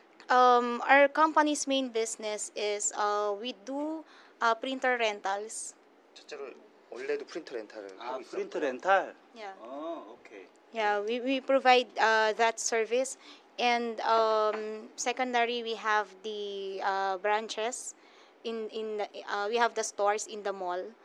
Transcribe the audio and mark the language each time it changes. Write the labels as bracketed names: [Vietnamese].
[English] Our company's main business is we do printer rentals. [Korean] 첫째로 원래도 프린터 렌탈을 하고 있어요. 아, 프린터 렌탈. [English] Yeah. [Korean] 아, 오케이. [English] Yeah, we provide that service, and secondary we have the branches in the, we have the stores in the mall.